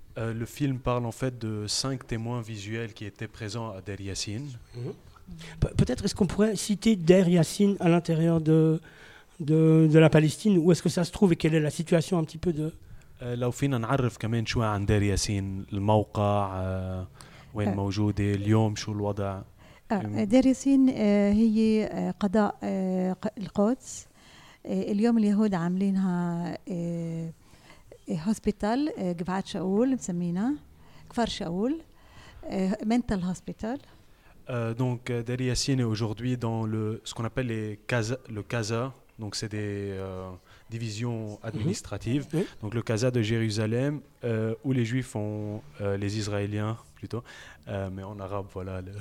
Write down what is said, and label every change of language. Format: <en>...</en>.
<fr>Le film parle en fait de cinq témoins visuels qui étaient présents à Deir Yassine. Peut-être est-ce qu'on pourrait citer Deir Yassine à l'intérieur de la Palestine, où est-ce que ça se trouve et quelle est la situation un petit peu de...</fr> <ar>لو فينا نعرف كمان شوي عن دير ياسين الموقع وين موجودة اليوم شو الوضع دير ياسين هي قضاء القدس. اليوم اليهود عاملينها هوسبيتال جبعات شاول مسمينها كفر شاول منتال هوسبيتال.</ar> <fr>Donc Deir Yassine est aujourd'hui dans le ce qu'on appelle les CASA, le CASA. Donc c'est des divisions administratives. Donc le CASA de Jérusalem où les Juifs ont les Israéliens plutôt, mais en arabe voilà.</fr>